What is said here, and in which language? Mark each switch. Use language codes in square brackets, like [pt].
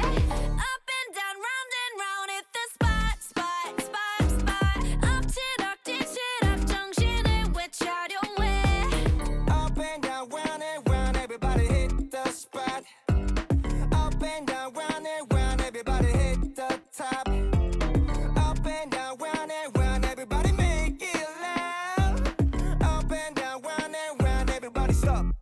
[en] Up and down, round and round, hit the spot, spot, spot, spot. [ko] 엎치락 뒤치락 정신을 왜 차려해. [en] Up and down, round and round, everybody hit the spot. Up and down, round and round, everybody hit the top. Up and down, round and round, everybody make it loud. Up and down, round and round, everybody stop.